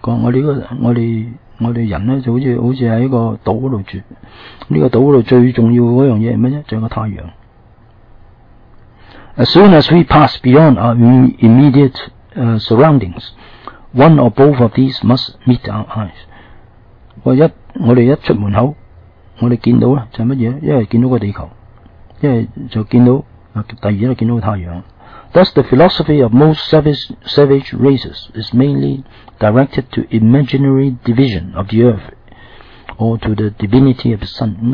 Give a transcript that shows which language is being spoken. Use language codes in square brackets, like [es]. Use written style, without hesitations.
[yue] 讲我哋人咧就好似喺一个岛嗰度住，呢、这个岛嗰度最重要嗰样嘢系咩啫？就系个太阳。 [en] As soon as we pass beyond our immediate surroundings, one or both of these must meet our eyes。 [yue] 我哋一出门口，我哋见到咧就系乜嘢？一系见到个地球，一系就见到第二咧见到个太阳。 [en] Thus, the philosophy of most savage races is mainly directed to imaginary division of the earth, or to the divinity of the sun.